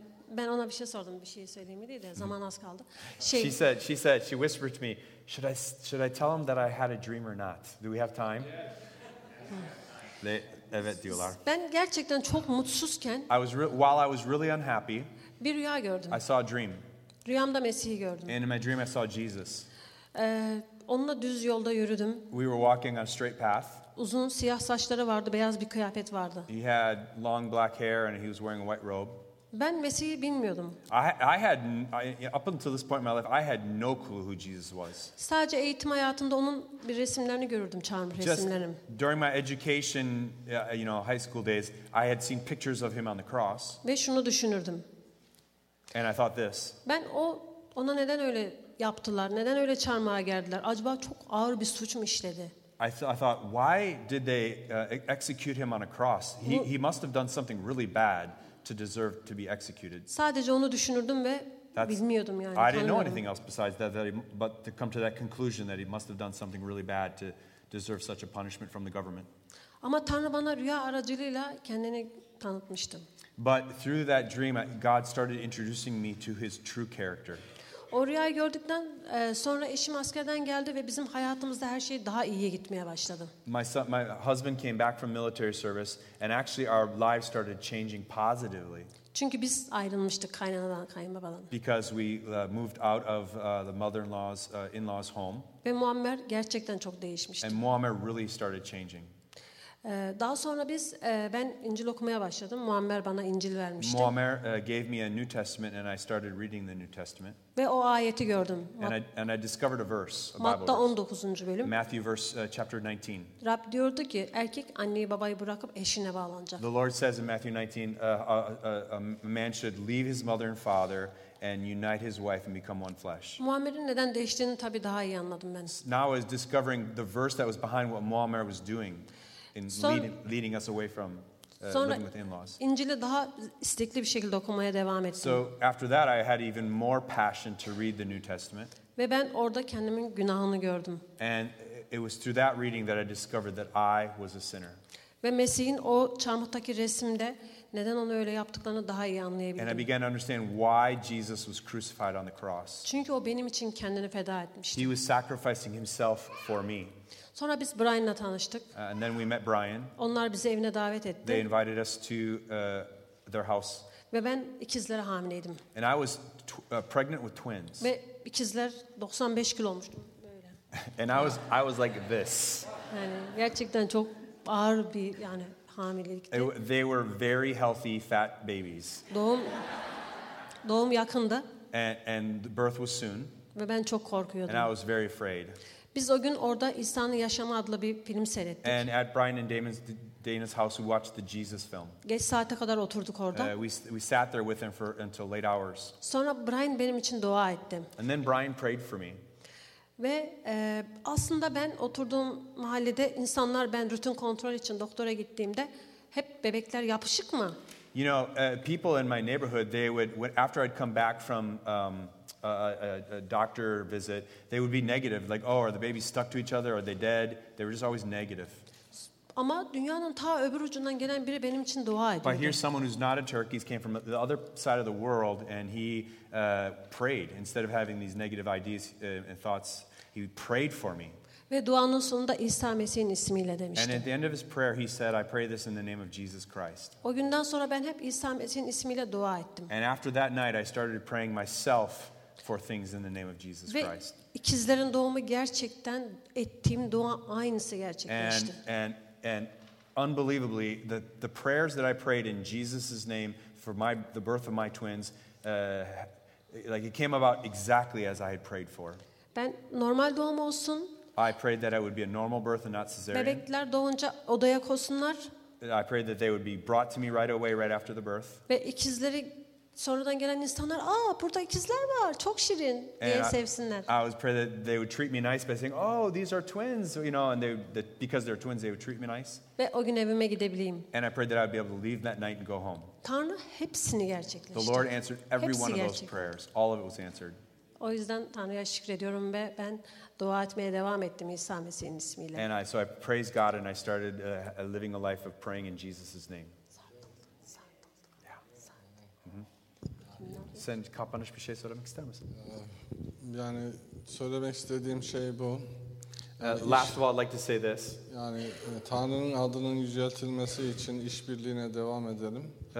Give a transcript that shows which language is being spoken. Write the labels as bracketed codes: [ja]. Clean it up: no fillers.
[tr] Ben ona bir şey sordum, bir şey söyleyeyim mi diye. Zaman az kaldı. [en] She said, she whispered to me, should I tell him that I had a dream or not? Do we have time? [tr] Evet diyorlar. Ben gerçekten çok mutsuzken, [en] while I was really unhappy, [tr] bir rüya gördüm. [en] I saw a dream. [tr] Rüyamda Mesih'i gördüm. [en] And in my dream I saw Jesus. [tr] Onunla düz yolda yürüdüm. [en] We were walking on a straight path. [tr] Uzun siyah saçları vardı, beyaz bir kıyafet vardı. [en] He had long black hair and he was wearing a white robe. [tr] Ben Mesih'i bilmiyordum. [en] I had up until this point in my life I had no clue who Jesus was. [tr] Sadece eğitim hayatında onun bir resimlerini görürdüm, çarmıh resimlerim. [en] During my education, you know, high school days, I had seen pictures of him on the cross. [tr] Ve şunu düşünürdüm. [en] And I thought this. [tr] Ben ona neden öyle yaptılar? Neden öyle çarmıha geldiler? Acaba çok ağır bir suç mu işledi? [en] I thought, why did they execute him on a cross? He must have done something really bad to deserve to be executed. [tr] Sadece onu düşünürdüm ve bilmiyordum yani. [en] I didn't know anything else besides that, but to come to that conclusion that he must have done something really bad to deserve such a punishment from the government. [tr] Ama Tanrı bana rüya aracılığıyla kendini tanıtmıştı. [en] But through that dream, God started introducing me to his true character. [tr] O rüyayı gördükten sonra eşim askerden geldi ve bizim hayatımızda her şey daha iyiye gitmeye başladı. [en] My husband came back from military service and actually our lives started changing positively. [tr] Çünkü biz ayrılmıştık kaynanadan, kayınbabadan. [en] Because we moved out of the mother-in-law's in-law's home. [tr] Ve Muammer gerçekten çok değişmişti. [en] And Muammer really started changing. [tr] Daha sonra biz ben İncil okumaya başladım. Muammer bana İncil vermişti. [en] Muammer gave me a New Testament and I started reading the New Testament. [tr] Ve o ayeti gördüm. [en] And I discovered a verse, a [tr] Matta [en] Bible. [tr] 19. bölüm. [en] Matthew verse chapter 19. [tr] Rab diyordu ki erkek anneyi babayı bırakıp eşine bağlanacak. [en] The Lord says in Matthew 19 a man should leave his mother and father and unite his wife and become one flesh. [tr] Muammer'in neden değiştiğini tabii daha iyi anladım ben. [en] Now I was discovering the verse that was behind what Muammer was doing. Leading us away from living with in-laws. [tr] İncil'i daha istekli bir şekilde okumaya devam ettim. [en] So after that I had even more passion to read the New Testament. [tr] Ve ben orada kendimin günahını gördüm. [en] And it was through that reading that I discovered that I was a sinner. [tr] Ve Mesih'in o çarmıhtaki resimde neden onu öyle yaptıklarını daha iyi anlayabildim. [en] And I began to understand why Jesus was crucified on the cross. [tr] Çünkü o benim için kendini feda etmişti. [en] He was sacrificing himself for me. [tr] Sonra biz Brian'la tanıştık. [en] And then we met Brian. [tr] Onlar bizi evine davet etti. [en] They invited us to their house. [tr] Ve ben ikizlere hamileydim. [en] And I was pregnant with twins. [tr] Ve ikizler 95 kilo olmuştu. [en] And I was like this. [tr] Yani gerçekten çok ağır bir yani hamilelikti. [en] They were very healthy, fat babies. [tr] Doğum yakında. [en] And birth was soon. [tr] Ve ben çok korkuyordum. [en] And I was very afraid. [tr] Biz o gün orada İsa'nın Yaşamı adlı bir film seyrettik. [en] And at Brian and Dana's house, we watched the Jesus film. [tr] Geç saate kadar oturduk orada. [en] We sat there with him for until late hours. [tr] Sonra Brian benim için dua etti. [en] And then Brian prayed for me. [tr] Ve aslında ben oturduğum mahallede insanlar ben rutin kontrol için doktora gittiğimde hep bebekler yapışık mı? [en] You know, people in my neighborhood, they would after I'd come back from a doctor visit, they would be negative, like, oh, are the babies stuck to each other? Are they dead? They were just always negative. [tr] Ama dünyanın ta öbür ucundan gelen biri benim için dua ediyordu. [en] But here's someone who's not a Turkey, he came from the other side of the world, and he prayed. Instead of having these negative ideas and thoughts, he prayed for me. [tr] Ve duanın sonunda İsa Mesih'in ismiyle demişti. [en] And at the end of his prayer, he said, I pray this in the name of Jesus Christ. [tr] O günden sonra ben hep İsa Mesih'in ismiyle dua ettim. [en] And after that night, I started praying myself for things in the name of Jesus Christ. [tr] Ve ikizlerin doğumu gerçekten ettiğim dua aynısı gerçekleşti. [en] And unbelievably, the prayers that I prayed in Jesus' name for the birth of my twins, like it came about exactly as I had prayed for. [tr] Ben normal doğum olsun. [en] I prayed that it would be a normal birth and not cesarean. [tr] Bebekler doğunca odaya koysunlar. [en] I prayed that they would be brought to me right away, right after the birth. [tr] Ve ikizleri sonradan gelen insanlar, aa burada ikizler var, çok şirin diye sevsinler. [en] I was praying that they would treat me nice by saying, oh, these are twins, you know, and because they're twins, they would treat me nice. [tr] Ve o gün evime gidebileyim. [en] And I prayed that I'd be able to leave that night and go home. [tr] Tanrı hepsini gerçekleştirdi. [en] The Lord answered every one of those prayers. All of it was answered. [tr] O yüzden Tanrı'ya şükrediyorum ve ben dua etmeye devam ettim İsa Mesih'in ismiyle. [en] And I praised God and I started living a life of praying in Jesus' name. [tr] Sen kapanış bir şey söylemek ister misin? Yani söylemek istediğim şey bu. [en] Last of all, I'd like to say this. [tr] Yani Tanrı'nın adının yüceltilmesi için işbirliğine devam edelim.